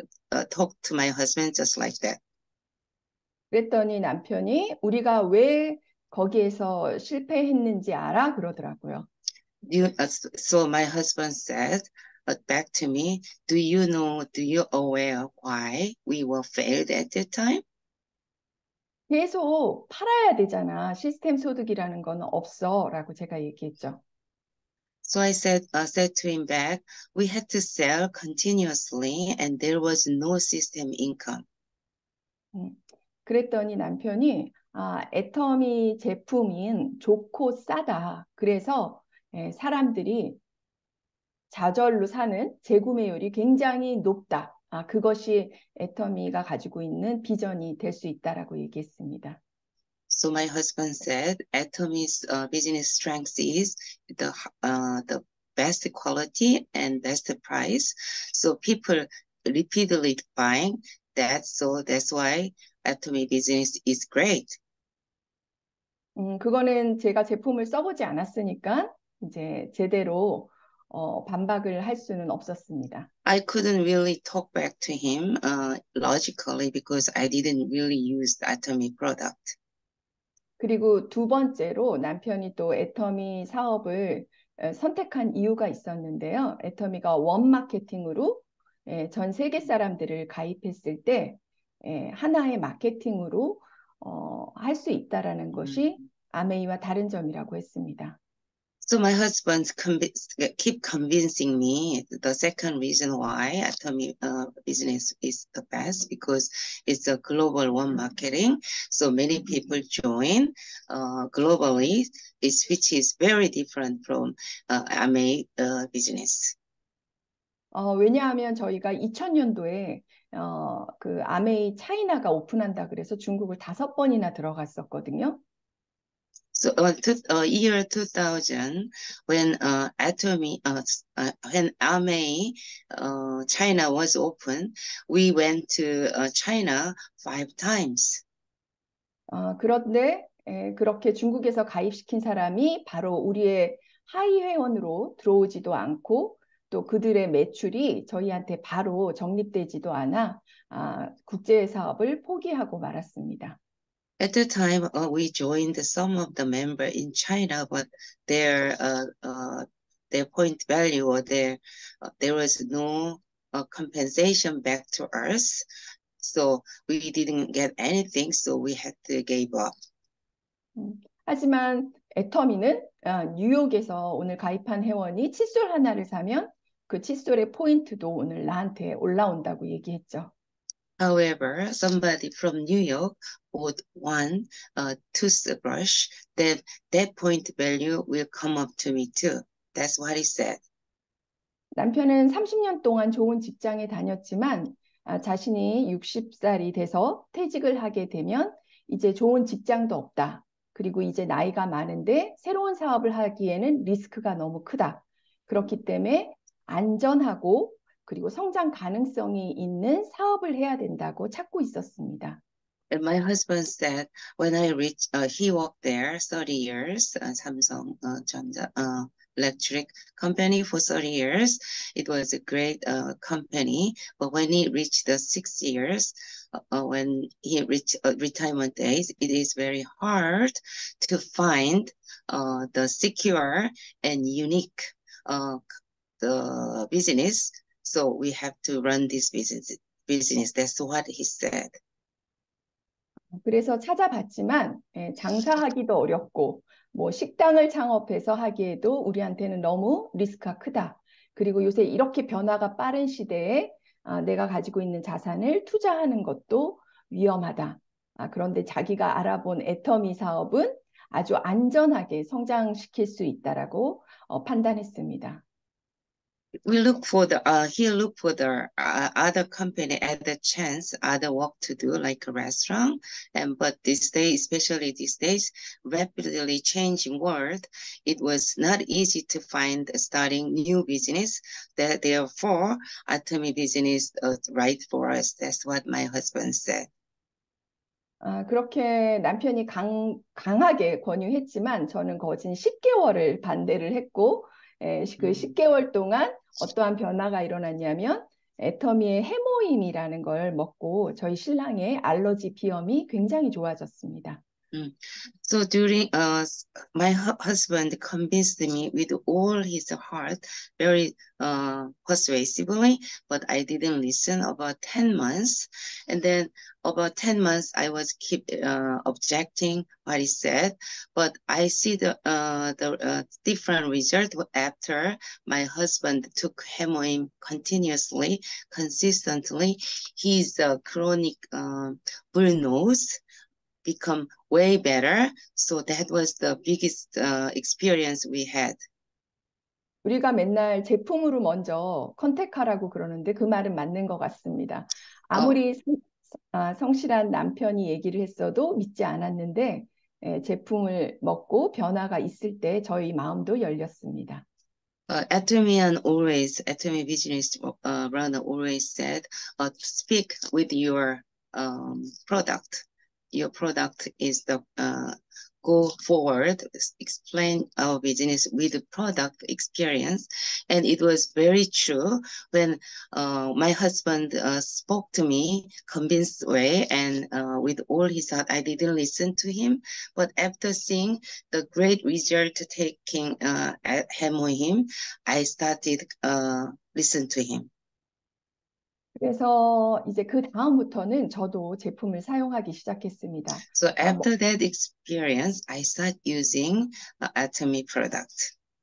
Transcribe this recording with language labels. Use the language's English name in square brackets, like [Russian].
[English] I talked to my husband just like that. [Korean] 그랬더니 남편이 우리가 왜 거기에서 실패했는지 알아? 그러더라고요. [English] So my husband said back to me, do you aware why we were failed at that time? [Korean] 계속 팔아야 되잖아. 시스템 소득이라는 건 없어. 라고 제가 얘기했죠. [English] So I said to him back, we had to sell continuously and there was no system income. [Korean] 그랬더니 남편이 애터미 제품은 좋고 싸다. 그래서 사람들이 좌절로 사는 재구매율이 굉장히 높다. 그것이 애터미가 가지고 있는 비전이 될수 있다라고 얘기했습니다. [English] So my husband said, Atomy's business strength is the best quality and best price. So people repeatedly buying that. So that's why Atomy business is great. [Korean] 그거는 제가 제품을 써보지 않았으니까 이제 제대로 반박을 할 수는 없었습니다. [English] I couldn't really talk back to him logically because I didn't really use the Atomy product. [Korean] 그리고 두 번째로 남편이 또 애터미 사업을 선택한 이유가 있었는데요. 애터미가 원 마케팅으로 전 세계 사람들을 가입했을 때 하나의 마케팅으로 할수 있다라는 것이 아메이와 다른 점이라고 했습니다. [English] So my husband keep convincing me the second reason why Atomy business is the best because it's a global one marketing. So many people join globally, which is very different from Amei business. [Korean] 왜냐하면 저희가 2000년도에 그 아메이 차이나가 오픈한다 그래서 중국을 5번이나 들어갔었거든요. [English] So year 2000, when Atomy, when Amei, China was open, we went to China 5 times. [Korean] 그런데 그렇게 중국에서 가입시킨 사람이 바로 우리의 하위 회원으로 들어오지도 않고 또 그들의 매출이 저희한테 바로 적립되지도 않아 국제 사업을 포기하고 말았습니다. [English] At the time, we joined some of the members in China, but their point value or their there was no compensation back to us, so we didn't get anything, so we had to give up. [Korean] 하지만 애터미는 뉴욕에서 오늘 가입한 회원이 칫솔 하나를 사면 그 칫솔의 포인트도 오늘 나한테 올라온다고 얘기했죠. [English] However, somebody from New York bought one toothbrush, then that point value will come up to me too. That's what he said. [Korean] 남편은 30년 동안 좋은 직장에 다녔지만 자신이 60살이 돼서 퇴직을 하게 되면 이제 좋은 직장도 없다. 그리고 이제 나이가 많은데 새로운 사업을 하기에는 리스크가 너무 크다. 그렇기 때문에 안전하고 그리고 성장 가능성이 있는 사업을 해야 된다고 찾고 있었습니다. [English] And my husband said, when I reach, he worked there 30 years, Samsung, 전자, electric company for 30 years. It was a great, company. But when he reached the 60 years, when he reached, retirement days, it is very hard to find, the secure and unique, the business. So we have to run this business. That's what he said. [Korean] 그래서 찾아봤지만 장사하기도 어렵고 뭐 식당을 창업해서 하기에도 우리한테는 너무 리스크가 크다. 그리고 요새 이렇게 변화가 빠른 시대에 내가 가지고 있는 자산을 투자하는 것도 위험하다. 그런데 자기가 알아본 애터미 사업은 아주 안전하게 성장시킬 수 있다라고 판단했습니다. [English] We look for the, he look for the other company at the chance, other work to do like a restaurant. And but this day, especially these days, rapidly changing world, it was not easy to find starting new business. That therefore, Atomy business is right for us. That's what my husband said. [Korean] 그렇게 남편이 강하게 권유했지만 저는 거진 10개월을 반대를 했고, 그 10개월 동안 어떠한 변화가 일어났냐면, 애터미의 해모임이라는 걸 먹고 저희 신랑의 알러지 비염이 굉장히 좋아졌습니다. [English] So during my husband convinced me with all his heart, very persuasively, but I didn't listen about 10 months. And then about 10 months, I was keep objecting what he said. But I see the different result after my husband took Hemoim continuously, consistently. He's a chronic bull nose. Become way better. So that was the biggest experience we had. [Korean] 우리가 맨날 제품으로 먼저 컨택하라고 그러는데 그 말은 맞는 것 같습니다. 아무리 성실한 남편이 얘기를 했어도 믿지 않았는데 제품을 먹고 변화가 있을 때 저희 마음도 열렸습니다. [English] Atomy business runner always said, speak with your product. Your product is the go forward. Explain our business with the product experience, and it was very true when my husband spoke to me convinced way and with all his heart. I didn't listen to him, but after seeing the great result taking at Hemohim, I started listen to him. [Korean] 그래서 이제 그 다음부터는 저도 제품을 사용하기 시작했습니다. [English] So after that experience, I start using Atomy product.